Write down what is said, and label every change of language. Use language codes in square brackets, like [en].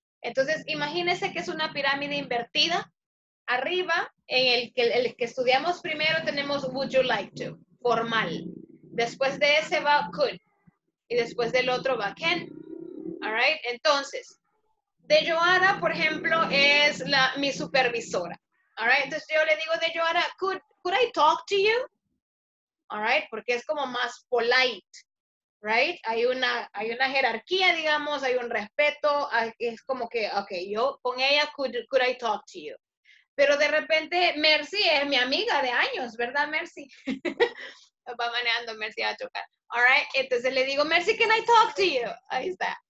[es] Entonces, imagínense que es una pirámide invertida. Arriba, en el que estudiamos primero, tenemos [en] would you like to, [es] formal. Después de ese va could. Y después del otro va can. All right, entonces, de Joara, por ejemplo, es mi supervisora. [en] All right, [es] entonces yo le digo [en] de Joara, could I talk to you? [es] All right, porque es como más polite, right? Hay una jerarquía, digamos, hay un respeto, es como que, okay, yo con ella, [en] could I talk to you? [es] Pero de repente, Mercy es mi amiga de años, ¿verdad, Mercy? Va manejando, Mercy va a chocar. All right, entonces le digo, Mercy, [en] can I talk to you? [es] Ahí está.